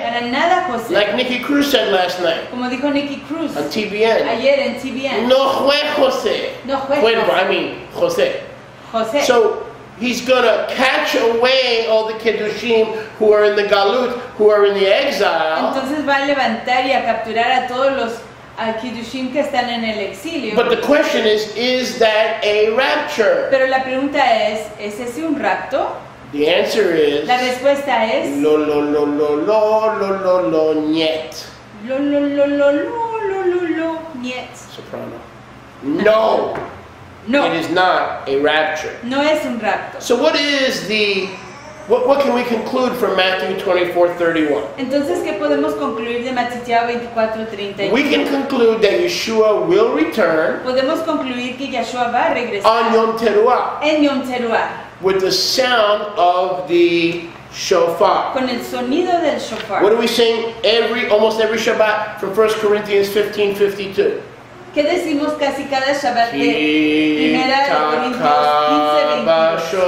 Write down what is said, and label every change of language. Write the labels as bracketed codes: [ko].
[es] Para nada José. [en] Like Nicky Cruz said last night. [es] Como dijo Nicky Cruz. [en] On TBN. [es] Ayer en TBN. No fue José. No fue bueno, José. [en] Bueno, I mean José. José. So he's going to catch away all the Kedushim who are in the Galut, who are in the exile. [es] Entonces va a levantar y a capturar a todos los a Kiddushim que están en el exilio. [en] But the question is that a rapture? [es] Pero la pregunta ¿es ese un rapto? [en] The answer is. [es] La respuesta es. [he] Lo, niet. Lo, niet. [en] Soprano. No. [es] No. [en] It is not a rapture. [es] No es un rapto. [en] So what is the. What can we conclude from Matthew 24:31? [es] Entonces, ¿qué podemos concluir de Mateo 24:31? [en] We can conclude that Yeshua will return. [es] Podemos concluir que Yeshua va a regresar. [en] On Yom Teruah. [es] En Yom Teruah. [en] With the sound of the shofar. [es] Con el sonido del shofar. [en] What do we sing almost every Shabbat from 1 Corinthians 15:52? [es] ¿Qué decimos casi cada Shabbat de Primera de Corintios